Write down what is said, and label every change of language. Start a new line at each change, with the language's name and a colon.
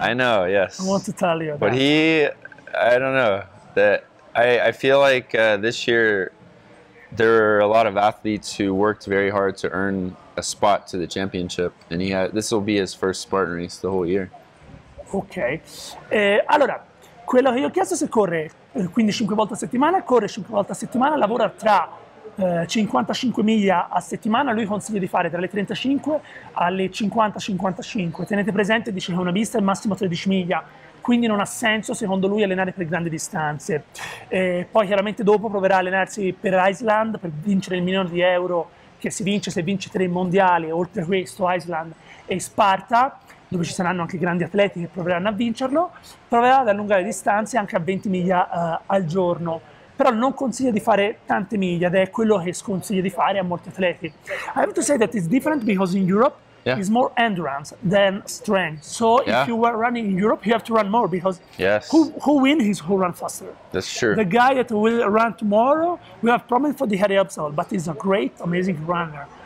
English: I know, yes. I want to tell you that. But he... I don't know that I feel like this year there are a lot of athletes who worked very hard to earn a spot to the championship, and he had, this will be his first Spartan race the whole year. Okay.
Italian: Allora, quello che io ho chiesto se corre, quindi 5 volte a settimana, corre 5 volte a settimana, lavora tra 55 miglia a settimana. Lui consiglia di fare tra le 35 alle 50-55. Tenete presente, dice che una pista è massimo 13 miglia. Quindi non ha senso, secondo lui, allenare per grandi distanze. E poi chiaramente dopo proverà a allenarsi per Iceland, per vincere il milione di euro che si vince se vince 3 mondiali, oltre questo Iceland e Sparta, dove ci saranno anche grandi atleti che proveranno a vincerlo. Proverà ad allungare distanze anche a 20 miglia al giorno. però non consiglia di fare tante miglia, ed è quello che sconsiglia di fare a molti atleti.
English: I have to say that it's different because in Europe it's more endurance than strength. So if you were running in Europe, you have to run more because who wins is who runs faster. That's true. The guy that will run tomorrow, we have promised for the Harry Upsal, but he's a great, amazing runner.